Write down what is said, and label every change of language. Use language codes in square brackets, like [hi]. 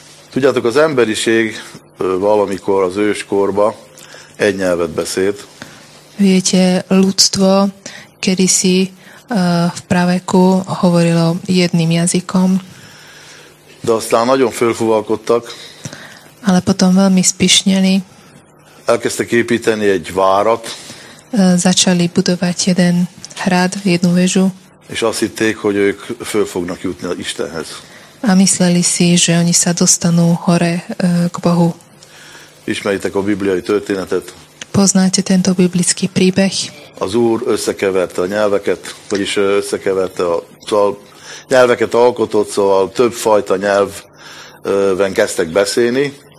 [hu] Tudjátok, az emberiség valamikor az őskorba egy nyelvet beszélt. [sk] Viete, ľudstvo kedysi v praveku hovorilo jedným jazykom. [hu] De aztán nagyon fölfúvalkodtak. [sk] Ale potom veľmi spišneli. [hu] Elkezdtek építeni egy várat. [sk] Začali budovať jeden hrad, jednu vežu. [hu] És azt hitték, hogy ők föl fognak jutni Istenhez. [sk] A mysleli si, že oni sa dostanú hore k Bohu. [hu] Ismeritek a bibliai történetet? [sk] Poznáte tento biblický príbeh? [hu] Az Úr összekeverte a nyelveket, vagyis összekeverte a nyelveket alkotott, szóval több fajta nyelven kezdtek beszélni.